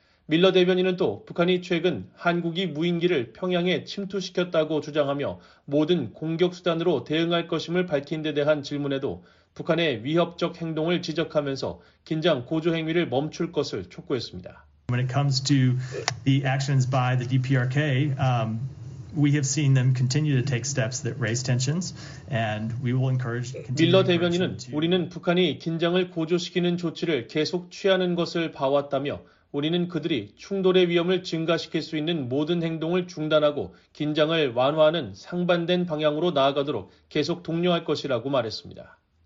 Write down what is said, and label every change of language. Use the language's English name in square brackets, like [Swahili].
[Korean] 밀러 대변인은 또 북한이 최근 한국이 무인기를 평양에 침투시켰다고 주장하며 모든 공격수단으로 대응할 것임을 밝힌 데 대한 질문에도 북한의 위협적 행동을 지적하면서 긴장 고조 행위를 멈출 것을 촉구했습니다. [English] When it comes to the actions by the DPRK, we have seen them continue to take steps that raise tensions and we will encourage [Korean] 밀러 대변인은 우리는 북한이 긴장을 고조시키는 조치를 계속 취하는 것을 봐왔다며 우리는 그들이 충돌의 위험을 증가시킬 수 있는 모든 행동을 중단하고 긴장을 완화하는 상반된 방향으로 나아가도록 계속 독려할 것이라고 말했습니다.